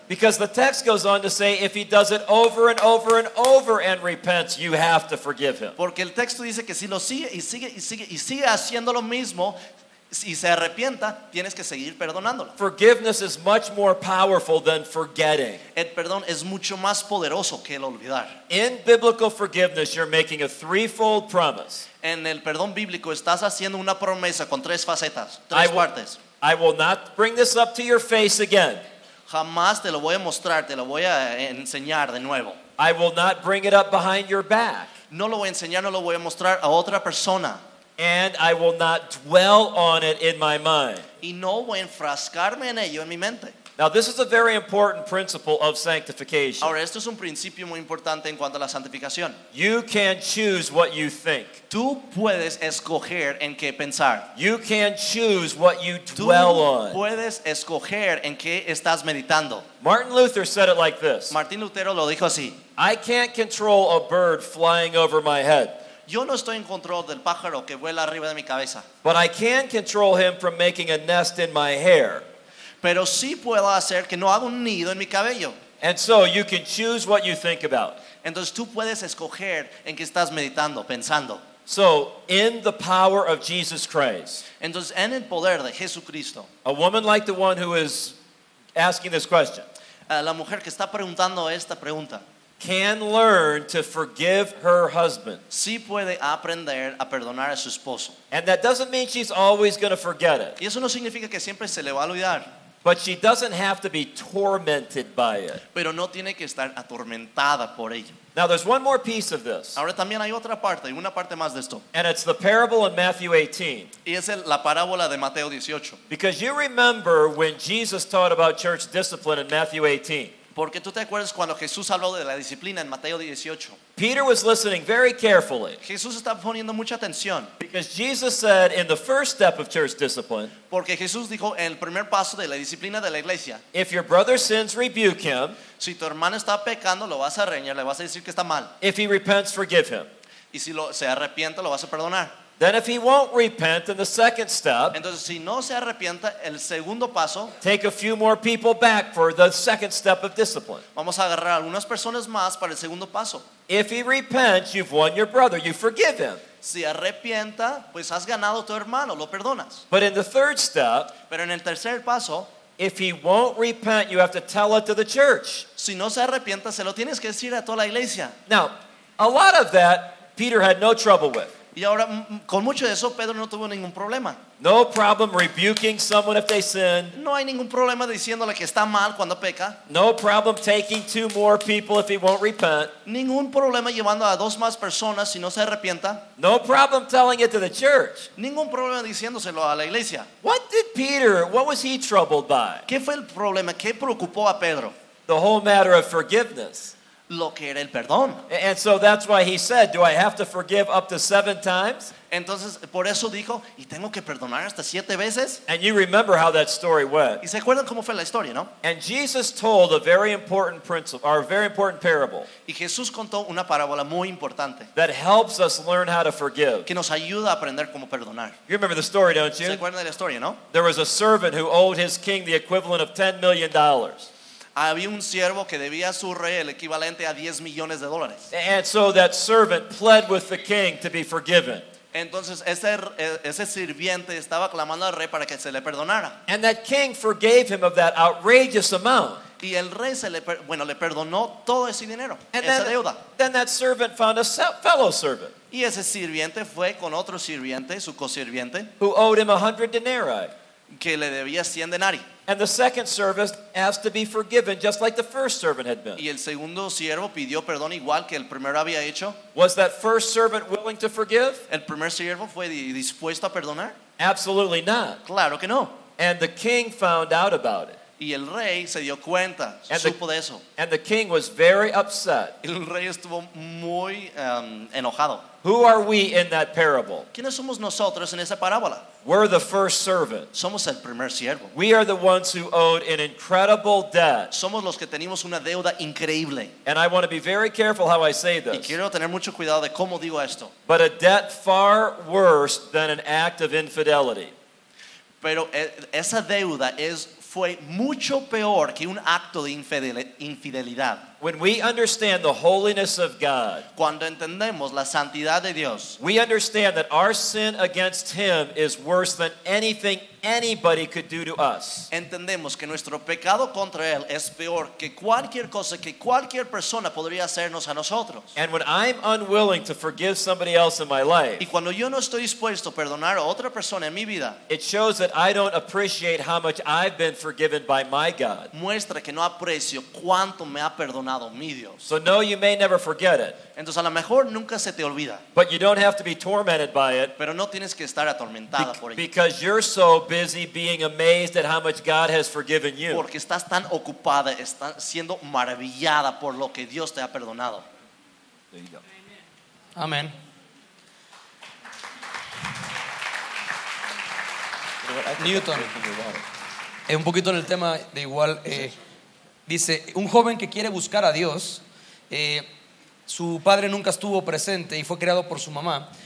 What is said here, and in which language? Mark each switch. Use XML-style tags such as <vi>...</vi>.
<en>Because the text goes on to say if he does it over and over and over and repents, you have to forgive him.</en> <es>Porque el texto dice que si lo sigue y sigue y sigue y sigue haciendo lo mismo, si se arrepienta, tienes que seguir perdonándolo.</es> <en>Forgiveness is much more powerful than forgetting.</en> <es>El perdón es mucho más poderoso que el olvidar.</es> <en>In biblical forgiveness, you're making a threefold promise.</en> <es>En el perdón bíblico estás haciendo una promesa con tres facetas, tres partes.</es> <en>I will not bring this up to your face again.</en> <es>Jamás te lo voy a mostrar, te lo voy a enseñar de nuevo.</es> <en>I will not bring it up behind your back.</en> <es>No lo voy a enseñar, no lo voy a mostrar a otra persona.</es> <en>And I will not dwell on it in my mind.</en> <es>Y no voy a enfrascarme en ello en mi mente.</es> <en>Now this is a very important principle of sanctification.</en> <es>Ahora, esto es un principio muy importante en cuanto a la santificación.</es> <en>You can choose what you think.</en> <es>Tú puedes escoger en qué pensar.</es> <en>You can choose what you dwell on.</en> <es>Tú puedes escoger en qué estás meditando.</es> <en>Martin Luther said it like this.</en> <es>Martín Lutero lo dijo así.</es> <en>I can't control a bird flying over my head.</en> <es>Yo no estoy en control del pájaro que vuela arriba de mi cabeza.</es> <en>But I can control him from making a nest in my hair.</en> <es>Pero sí puedo hacer que no haga un nido en mi cabello.</es> <en>And so you can choose what you think about.</en> <es>Entonces tú puedes escoger en qué estás meditando, pensando.</es> <en>So in the power of Jesus Christ.</en> <es>Entonces en el poder de Jesucristo.</es> <en>A woman like the one who is asking this question.</en> <es>La mujer que está preguntando esta pregunta.</es> <en>Can learn to forgive her husband.</en> <es>Sí puede aprender a perdonar a su esposo.</es> <en>And that doesn't mean she's always going to forget it.</en> <es>Y eso no significa que siempre se le va a olvidar.</es> <en>But she doesn't have to be tormented by it.</en> <es>Pero no tiene que estar atormentada por ello.</es> <en>Now there's one more piece of this.</en> <es>Ahora también hay otra parte, una parte más de esto.</es> <en>And it's the parable in Matthew 18.</en> <es>Y es la parábola de Mateo 18.</es> <en>Because you remember when Jesus taught about church discipline in Matthew 18.</en> <es>Porque tú te acuerdas cuando Jesús habló de la disciplina en Mateo 18.</es> <en>Peter was listening very carefully.</en> <es>Jesús estaba poniendo mucha atención.</es> <en>Because Jesus said in the first step of church discipline.</en> <es>Porque Jesús dijo en el primer paso de la disciplina de la iglesia.</es> <en>If your brother sins, rebuke him.</en> <es>Si tu hermano está pecando, lo vas a reñir, le vas a decir que está mal.</es> <en>If he repents, forgive him.</en> <es>Y si se arrepiente, lo vas a perdonar.</es> <en>Then if he won't repent in the second step,</en> <es>entonces, si no se arrepienta, el segundo paso,</es> <en>take a few more people back for the second step of discipline.</en> <es>Vamos a agarrar algunas personas más para el segundo paso.</es> <en>If he repents, you've won your brother, you forgive him.</en> <es>Si arrepienta, pues has ganado tu hermano, lo perdonas.</es> <en>But in the third step,</en> <es>pero en el tercer paso,</es> <en>if he won't repent, you have to tell it to the church.</en> <es>Si no se arrepienta, se lo tienes que decir a toda la iglesia.</es> <en>Now, a lot of that Peter had no trouble with.</en> <es>Y ahora, con mucho de eso, Pedro no tuvo ningún problema.</es> <en>No problem rebuking someone if they sin.</en> <es>No hay ningún problema diciéndole que está mal cuando peca.</es> <en>No problem taking two more people if he won't repent.</en> <es>Ningún problema llevando a dos más personas si no se arrepienta.</es> <en>No problem telling it to the church.</en> <es>Ningún problema diciéndoselo a la iglesia.</es> <en>What did Peter, what was he troubled by?</en> <es>¿Qué fue el problema? ¿Qué preocupó a Pedro?</es> <en>The whole matter of forgiveness.</en> <es>Lo que era el perdón.</es> <en>And so that's why he said, do I have to forgive up to seven times?</en> <es>Entonces, por eso dijo, ¿y tengo que perdonar hasta siete veces?</es> <en>And you remember how that story went.</en> <es>¿Y se acuerdan cómo fue la historia, no?</es> <en>And Jesus told a very important principle, or a very important parable.</en> <es>Y Jesús contó una parábola muy importante.</es> <en>That helps us learn how to forgive.</en> <es>Que nos ayuda a aprender cómo perdonar.</es> <en>You remember the story, don't you?</en> <es>¿Se acuerdan de la historia, no?</es> <en>There was a servant who owed his king the equivalent of $10 million.</en> <es>Había un siervo que debía a su rey el equivalente a 10 millones de dólares.</es> <en>And so that servant pled with the king to be forgiven.</en> <es>Entonces ese sirviente estaba clamando al rey para que se le perdonara.</es> <en>And that king forgave him of that outrageous amount.</en> <es>Y el rey le perdonó todo ese dinero,</es> <en>and</en> <es>esa</es> <en>then,</en> <es>deuda.</es> <en>Then that servant found a fellow servant.</en> <es>Y ese sirviente fue con otro sirviente, su cosirviente,</es> <en>who owed him 100 denarii.</en> <es>Que le debía 100 denarii.</es> <en>And the second servant asked to be forgiven just like the first servant had been.</en> <es>Y el segundo siervo pidió perdón igual que el primero había hecho.</es> <en>Was that first servant willing to forgive?</en> <es>¿El primer siervo fue dispuesto a perdonar?</es> <en>Absolutely not.</en> <es>Claro que no.</es> <en>And the king found out about it.</en> <es>Y el rey se dio cuenta, supo de eso.</es> <en>And the king was very upset.</en> <es>El rey estuvo muy enojado.</es> <en>Who are we in that parable?</en> <es>¿Quiénes somos nosotros en esa parábola?</es> <en>We're the first servant.</en> <es>Somos el primer siervo.</es> <en>We are the ones who owed an incredible debt.</en> <es>Somos los que tenemos una deuda increíble.</es> <en>And I want to be very careful how I say this.</en> <es>Y quiero tener mucho cuidado de cómo digo esto.</es> <en>But a debt far worse than an act of infidelity.</en> <es>Pero esa deuda es fue mucho peor que un acto de infidelidad.</es> <en>When we understand the holiness of God,</en> <es>cuando entendemos la santidad de Dios,</es> <en>we understand that our sin against Him is worse than anything anybody could do to us.</en> <es>Entendemos que nuestro pecado contra Él es peor que cualquier cosa que cualquier persona podría hacernos a nosotros.</es> <en>And when I'm unwilling to forgive somebody else in my life,</en> <es>y cuando yo no estoy dispuesto a perdonar a otra persona en mi vida,</es> <en>it shows that I don't appreciate how much I've been forgiven by my God.</en> <es>Muestra que no aprecio cuánto me ha perdonado.</es> <en>So no, you may never forget it.</en> <es>Entonces, a lo mejor, nunca se te olvida.</es> <en>But you don't have to be tormented by it.</en> <es>Pero no tienes que estar atormentada por ello.</es> <en>Because you're so busy being amazed at how much God has forgiven you.</en> <es>Porque estás tan ocupada, estás siendo maravillada por lo que Dios te ha perdonado.</es> <en>There you go.</en> <es>Amen. Newton. Es un poquito en el tema de igual. Dice, un joven que quiere buscar a Dios, su padre nunca estuvo presente y fue criado por su mamá.</es>